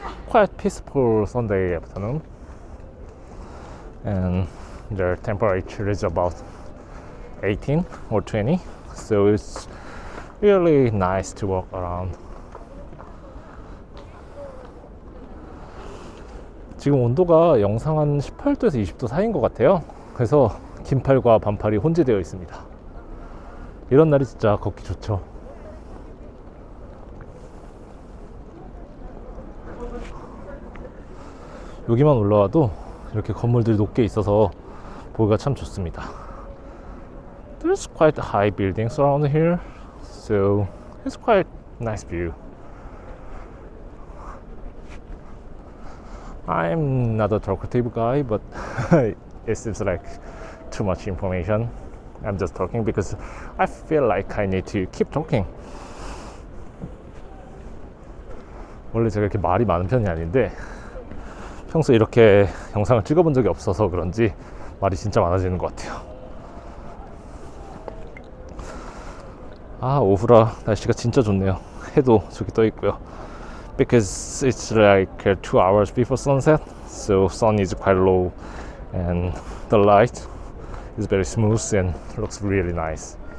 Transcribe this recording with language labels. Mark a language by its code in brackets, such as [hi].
[ko] 꽤 [en] peaceful Sunday afternoon and the temperature is about 18 or 20, so it's really nice to walk around. [ko] 지금 온도가 영상 한 18도에서 20도 사이인 것 같아요. 그래서 긴팔과 반팔이 혼재되어 있습니다. 이런 날이 진짜 걷기 좋죠. 여기만 올라와도 이렇게 건물들이 높게 있어서 보기가 참 좋습니다. [en] There's quite high buildings around here, so it's quite nice view. I'm not a talkative guy, but it seems like too much information. I'm just talking because I feel like I need to keep talking. [ko] 원래 제가 이렇게 말이 많은 편이 아닌데 평소 이렇게 영상을 찍어본 적이 없어서 그런지 말이 진짜 많아지는 것 같아요. 아, 오후라 날씨가 진짜 좋네요. 해도 저기 떠 있고요. [en] Because it's like 2 hours before sunset, so sun is quite low and the light is very smooth and looks really nice.